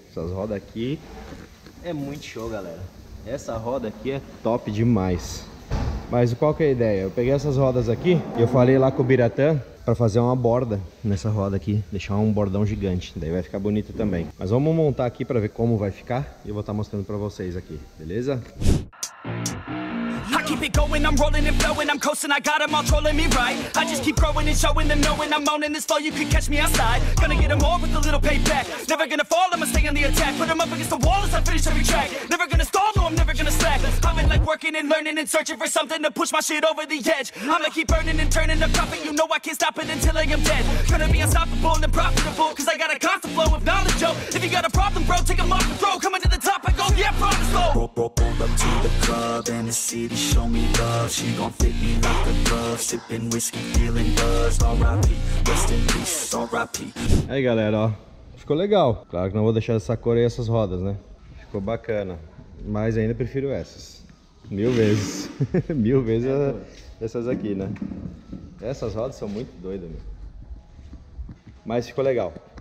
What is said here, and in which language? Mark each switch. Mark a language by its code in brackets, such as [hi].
[pt] Essas rodas aqui é muito show, galera. Essa roda aqui é top demais. Mas qual que é a ideia? Eu peguei essas rodas aqui e eu falei lá com o Biratã pra fazer uma borda nessa roda aqui. Deixar um bordão gigante, daí vai ficar bonito também. Mas vamos montar aqui pra ver como vai ficar e eu vou estar mostrando pra vocês aqui, beleza? [en] Keep it going, I'm rolling and flowing. I'm coasting, I got them all trolling me right. I just keep growing and showing them knowing. I'm owning this flow, you can catch me outside. Gonna get them all with a little payback. Never gonna fall, I'ma stay on the attack. Put them up against the wall as I finish every track. Never gonna stall, no, I'm never gonna slack. Coming like working and learning and searching for something to push my shit over the edge. I'ma keep burning and turning the profit. You know I can't stop it until I am dead. Gonna be unstoppable and profitable, cause I got a constant flow of knowledge, yo. If you got a problem, bro, take them off the throw. Coming to the top, I go, yeah, promise, bro. Pulled up to the club and the city show me love. She gon' fit me like a glove. Sipping whiskey, feeling buzzed. R.I.P. Rest in peace. R.I.P. [pt] Aí, galera, ó. Ficou legal. Claro que não vou deixar essa cor aí, essas rodas, né? Ficou bacana. Mas ainda prefiro essas. Mil vezes. Mil vezes essas aqui, né? Essas rodas são muito doidas, meu. Mas ficou legal.